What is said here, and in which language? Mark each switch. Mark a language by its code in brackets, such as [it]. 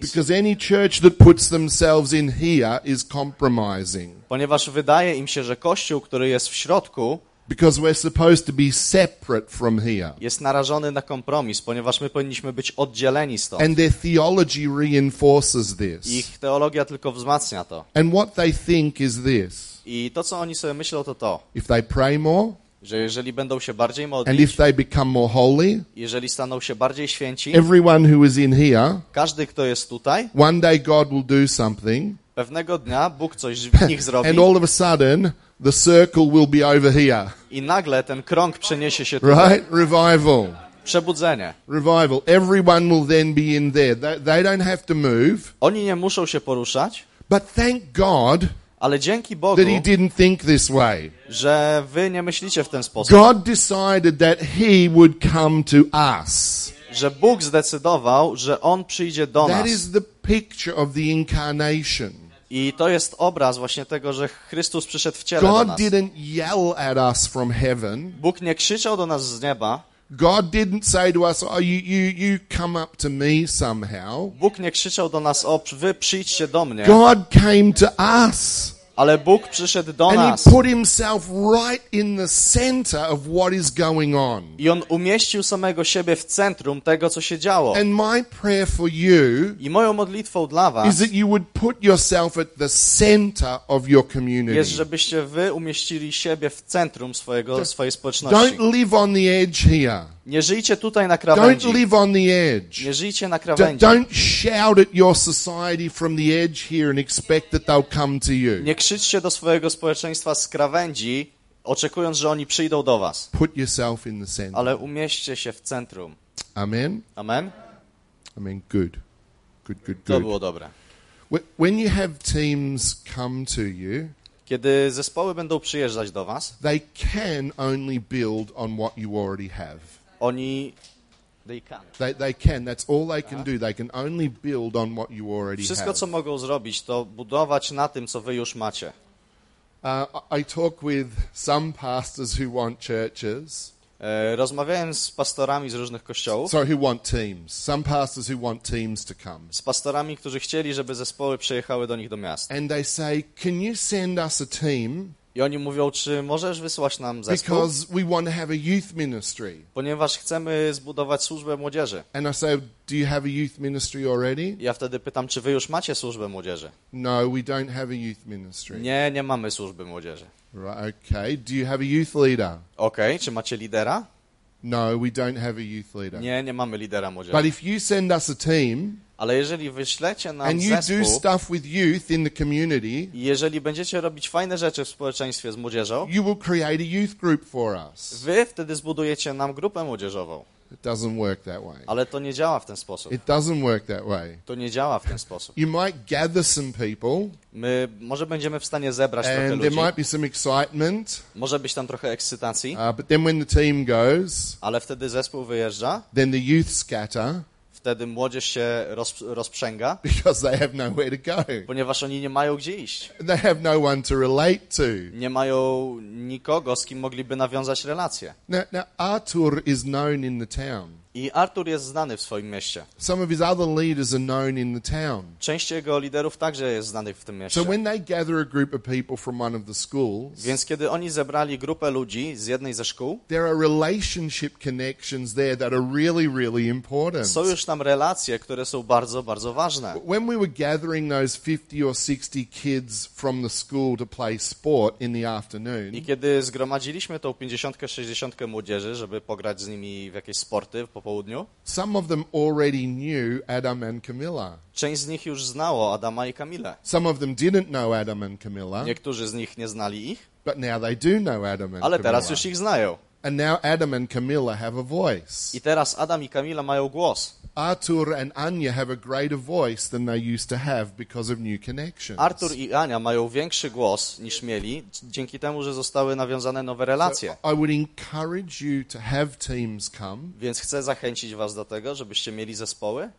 [en] Because any church that puts themselves in here is compromising. [pl] Ponieważ wydaje im się, że kościół, który jest w środku, [en] Because we're supposed to be separate from here. [pl] Jest narażony na kompromis, ponieważ my powinniśmy być oddzieleni stąd. [en] And their theology reinforces this. [pl] Ich teologia tylko wzmacnia to. [en] And what they think is this. [pl] I to, co oni sobie myślą, to to. [en] If they pray more, [pl] że jeżeli będą się bardziej modlić, [en] and if they become more holy, [pl] jeżeli staną się bardziej święci, [en] everyone who is in here, [pl] każdy, kto jest tutaj, [en] one day God will do something, [pl] pewnego dnia Bóg coś w nich zrobi, [en] and all of a sudden, the circle will be over here. [pl] I nagle ten krąg przeniesie się tutaj. [en] Right? Revival. [pl] Przebudzenie. [en] Revival. Everyone will then be in there. They don't have to move. [pl] Oni nie muszą się poruszać. [en] But thank God, [pl] ale dzięki Bogu, [en] that he didn't think this way. [pl] Że wy nie myślicie w ten sposób. [en] God decided that he would come to us. [pl] Że Bóg zdecydował, że on przyjdzie do [en] that [pl] nas. [en] That is the picture of the incarnation. [pl] I to jest obraz właśnie tego, że Chrystus przyszedł w ciele [en] God [pl] do nas. [en] Didn't yell at us from heaven. [pl] Bóg nie krzyczał do nas z nieba. [en] God didn't say to us, oh, you come up to me somehow. [pl] Bóg nie krzyczał do nas, o, wy przyjdźcie do mnie. [en] God came to us. [pl] Ale Bóg przyszedł do [en] And [pl] nas. [en] And he put himself right in the center of what is going on. [pl] I on umieścił samego siebie w centrum tego, co się działo. [en] And my prayer for you, [pl] i moją modlitwą dla was, [en] is that you would put yourself at the center of your community. [pl] Jest, żebyście wy umieścili siebie w centrum swojej społeczności. [en] Don't live on the edge here. [pl] Nie żyjcie tutaj na krawędzi. [en] Don't live on the edge. [pl] Nie żyjcie na krawędzi. [en] Don't shout at your society from the edge here and expect that they'll come to you. [pl] Nie krzyczcie do swojego społeczeństwa z krawędzi, oczekując, że oni przyjdą do was. [en] Put yourself in the center. [pl] Ale umieśćcie się w centrum. [en] Amen. [pl] Amen. [en] Amen. Good. Good, good, good. [pl] To było dobre. [en] When you have teams come to you, [pl] kiedy zespoły będą przyjeżdżać do was, [en] they can only build on what you already have. [pl] Oni [en] they can that's all they can do they can only build on what you already [pl] wszystko, [en] have [pl] wszystko co mogą zrobić to budować na tym co wy już macie. [en] I talk with some pastors who want churches [pl] rozmawiałem z pastorami z różnych kościołów [en] some pastors who want teams to come [pl] z pastorami którzy chcieli żeby zespoły przyjechały do nich do miast [en] and they say can you send us a team [pl] I oni mówią, czy możesz wysłać nam zespół? [en] Because we want to have a youth ministry. [pl] Ponieważ chcemy zbudować służbę młodzieży. [en] And I say, do you have a youth ministry already? [pl] Ja wtedy pytam, czy wy już macie służbę młodzieży? [en] No, we don't have a youth ministry. [pl] Nie, nie mamy służby młodzieży. [en] Right, okay. Do you have a youth leader? [pl] Okay, czy macie lidera? [en] No, we don't have a youth leader. [pl] Nie, nie mamy lidera młodzieży. [en] But if you send us a team, [pl] ale jeżeli wyślecie nam [en] and you [pl] zespół, [en] do stuff with youth in the community, [pl] jeżeli będziecie robić fajne rzeczy w społeczeństwie z młodzieżą, [en] you will create a youth group for us. [pl] Wy wtedy zbudujecie nam grupę młodzieżową. [en] It doesn't work that way. [pl] Ale to nie działa w ten sposób. [en] It doesn't work that way. [pl] To nie działa w ten sposób. [en] You might gather some people. [pl] My może będziemy w stanie zebrać trochę ludzi. [en] And there might be some excitement. [pl] Może być tam trochę ekscytacji. [en] But then when the team goes, [pl] ale wtedy zespół wyjeżdża. [en] Then the youth scatter. [pl] Wtedy młodzież się rozprzęga. [en] Because they have nowhere to go. [pl] Ponieważ oni nie mają gdzie iść. [en] They have no one to relate to. [pl] Nie mają nikogo, z kim mogliby nawiązać relacje. [en] Now Arthur is known in the town. [pl] I Arthur jest znany w swoim mieście. [en] Some of his other leaders are known in the town. [pl] Część jego liderów także jest znanych w tym mieście. [en] So when they gather a group of people from one of the schools, [pl] więc kiedy oni zebrali grupę ludzi z jednej ze szkół, [en] there are relationship connections there that are really, really important. [pl] Są już tam relacje, które są bardzo, bardzo ważne. [en] When we were gathering those 50 or 60 kids from the school to play sport in the afternoon, [pl] i kiedy zgromadziliśmy tą 50-60 młodzieży, żeby pograć z nimi w jakieś sporty, po południu. [en] Some of them already knew Adam and Camilla. [pl] Część z nich już znało Adama i Kamilę. [en] Some of them didn't know Adam and Camilla. [pl] Niektórzy z nich nie znali ich. [en] But now they do know Adam and [pl] ale [en] Camilla. [pl] Teraz już ich znają. [en] And now Adam and Camilla have a voice. [pl] I teraz Adam i Kamila mają głos. [en] Arthur and Anya have a greater voice than they used to have because of new connections. [pl] Arthur i Ania mają większy głos niż mieli dzięki temu, że zostały nawiązane nowe relacje. [en] So I would encourage you to have teams come. [pl] Więc chcę zachęcić was do tego, żebyście mieli zespoły.